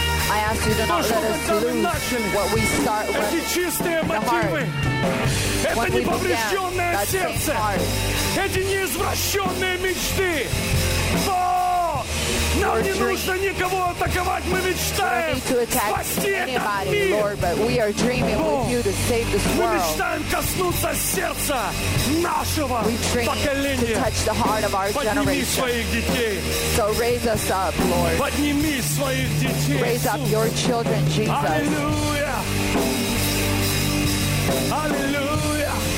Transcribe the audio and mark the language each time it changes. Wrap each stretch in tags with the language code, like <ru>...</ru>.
<en>I ask you to not let us lose what we start with in the heart. When we began, that same heart.</en> <ru>Эти неизвращенные мечты. Бог, нам не нужно никого атаковать. Мы мечтаем спасти этот мир.</ru> <en>But we are dreaming with you to save this world.</en> <ru>Мы мечтаем коснуться сердца нашего поколения.</ru> <en>To touch the heart of our generation.</en> <ru>Подними своих детей.</ru> <en>So raise us up, Lord.</en> <ru>Подними своих детей.</ru> <en>Raise up your children, Jesus.</en> <ru>Аллилуйя. Аллилуйя.</ru>